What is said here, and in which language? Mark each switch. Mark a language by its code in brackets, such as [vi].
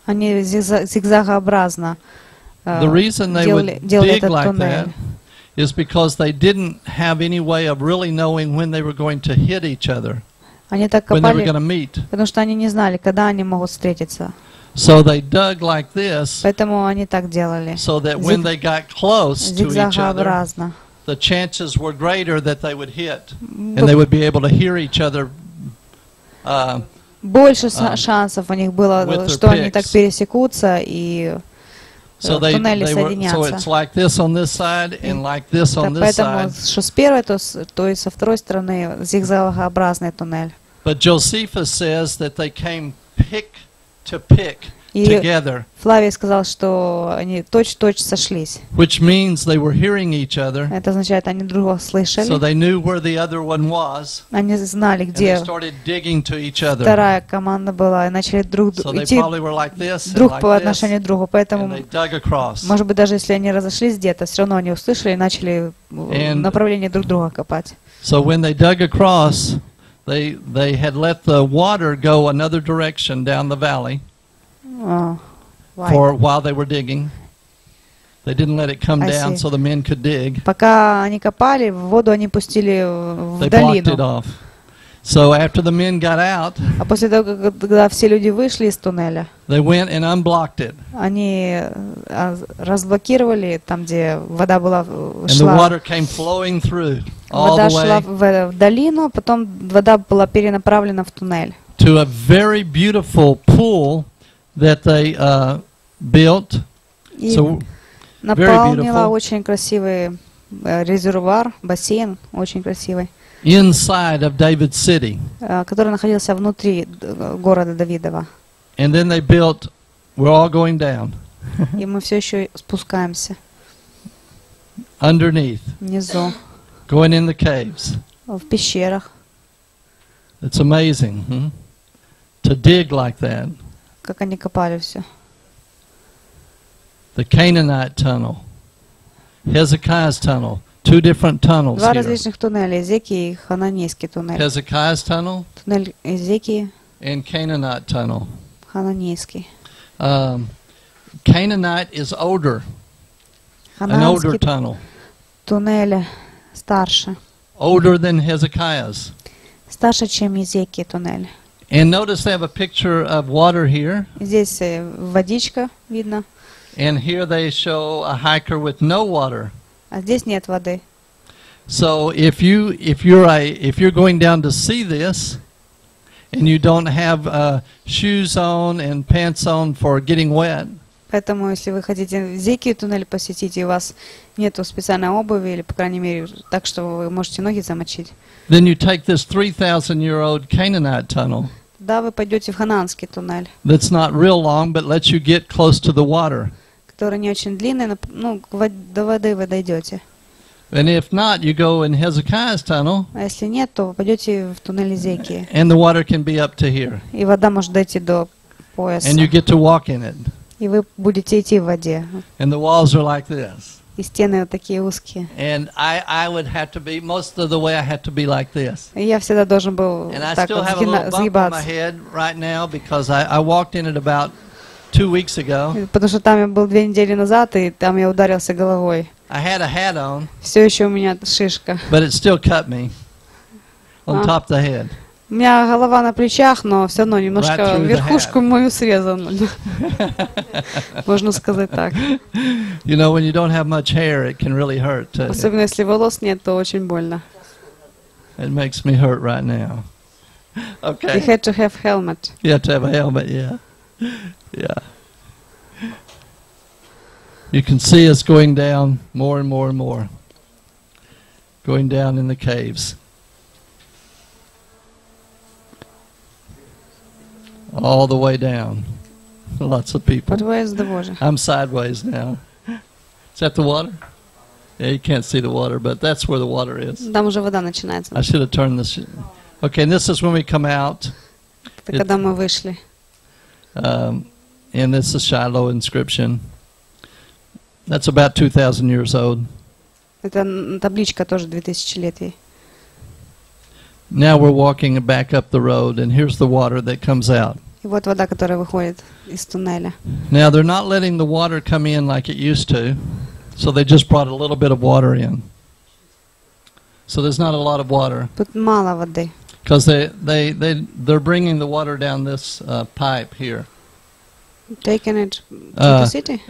[ru] Они зигзагообразно делали этот туннель. [en] Is because they didn't have any way of really knowing when they were going to hit each other, when they were going to meet. [ru] Потому что они не знали, когда они могут встретиться. [en] So they dug like this. [ru] Поэтому они так делали. [en] So that when they got close to each other, the chances were greater that they would hit, and they would be able to hear each other. [ru] Больше шансов у них было, что они так пересекутся и. [en] So it's like this on this side and like this on this side. [ru] Поэтому что с первой, то и со второй стороны зигзагообразный туннель. [en] But Josephus says that they came pick to pick together. [ru] Флавий сказал, что они точь-в-точь сошлись. [en] Which means they were hearing each other. [ru] Это означает, они друг друга слышали. [en] So they knew where the other one was. [ru] Они знали, где. [en] And they started digging to each other. [ru] Вторая команда была, и начали друг идти. [en] So they probably were like this. [ru] Друг по отношению к другу, поэтому. [en] And they dug across. [ru] Может быть, даже если они разошлись где-то, все равно они услышали и начали направление друг друга копать. [en] So when they dug across, they had let the water go another direction down the valley. For while they were digging, they didn't let it come down so the men could dig. [ru] Пока они копали, воду они пустили в долину. [en] They blocked it off. So after the men got out, [ru] а после того, когда все люди вышли из туннеля, [en] they went and unblocked it. [ru] Они разблокировали там, где вода была шла. [en] And the water came flowing through all the way. [ru] Вода шла в долину, потом вода была перенаправлена в туннель. [en] To a very beautiful pool. That they built. So, [ru] наполнила очень красивый резервуар, бассейн, очень красивый. [en] Inside of David's city. [ru] Который находился внутри города Давидова. [en] And then they built. We're all going down. [ru] И мы все еще спускаемся. [en] Underneath. [ru] Внизу. [en] Going in the caves. [ru] В пещерах. [en] It's amazing to dig like that. [ru] Как они копали все. [en] The Canaanite tunnel, Hezekiah's tunnel, two different tunnels. [ru] Два различных туннеля, Езекии и Хананейский туннель. [en] Hezekiah's tunnel. [ru] Туннель Езекии. [en] And Canaanite tunnel. [ru] Хананейский. [en] Canaanite is older. An older tunnel. [ru] Туннель старше. [en] Older than Hezekiah's. [ru] Старше, чем Езекии туннель. [en] And notice they have a picture of water here. [ru] Здесь водичка видно. [en] And here they show a hiker with no water. [ru] А здесь нет воды. [en] So if you're going down to see this, and you don't have shoes on and pants on for getting wet. [ru] Поэтому если вы хотите Зекию туннель посетить и у вас нету специальной обуви или по крайней мере так что вы можете ноги замочить. [en] Then you take this 3,000-year-old Canaanite tunnel. [ru] Да, вы пойдете в Хананский туннель. [en] That's not real long, but lets you get close to the water. [ru] Который не очень длинный, но до воды вы дойдете. [en] And if not, you go in Hezekiah's tunnel. [ru] А если нет, то пойдете в туннель Зеки. [en] And the water can be up to here. [ru] И вода может дойти до пояса. [en] And you get to walk in it. [ru] И вы будете идти в воде. [en] And the walls are like this. [ru] И стены вот такие узкие. [en] And I would have to be, most of the way I had to be like this. [ru] И я всегда должен был так вот сгибаться. [en] And I still have a little bump on my head right now because I walked in it about 2 weeks ago. [ru] Потому что там я был 2 недели назад, и там я ударился головой. [en] I had a hat on. [ru] Все еще у меня шишка. [en] But it still cut me on top of the head. [ru] У меня голова на плечах, но все равно немножко [en] right [ru] верхушку мою срезано. Можно сказать так. [en] You know, when you don't have much hair, it can really hurt. [ru] Особенно если волос нет, то очень больно. [en] It makes me hurt right now. Okay. You had to have helmet. You had to have a helmet, yeah. Yeah. You can see us going down more and more and more. Going down in the caves. All the way down. Lots of people. But where is the water? I'm sideways now. Is that the water? Yeah, you can't see the water, but that's where the water is. [ru] Там уже вода начинается. [en] I should have turned this. Okay, and this is when we come out. [ru] Это когда мы вышли. [en] And this is Shiloh inscription. That's about 2,000 years old. [ru] Это табличка тоже 2000 лет ей. [en] Now we're walking back up the road, and here's the water that comes out. [ru] И вот вода, которая выходит из туннеля. [en] Now they're not letting the water come in like it used to, so they just brought a little bit of water in. So there's not a lot of water. [ru] Тут мало воды. [en] Because they're bringing the water down this pipe here. Taking it to the city.